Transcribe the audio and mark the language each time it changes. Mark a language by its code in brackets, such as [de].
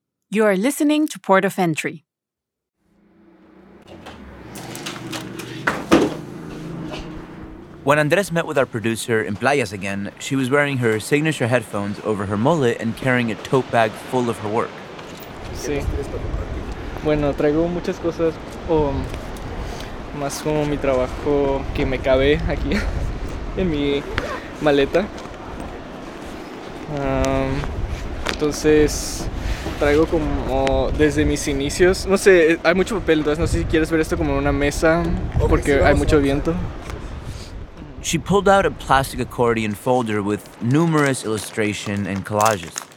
[en] You are listening to Port of Entry. When Andres met with our producer in Playas again, she was wearing her signature headphones over her mullet and carrying a tote bag full of her work. [es] Sí. Bueno, traigo muchas cosas, más como mi trabajo que me cabe aquí en mi maleta. Entonces traigo como desde mis inicios, no sé, hay mucho papel, entonces no sé si quieres ver esto como en una mesa porque hay mucho viento. [en] She pulled out a plastic accordion folder with numerous illustrations and collages.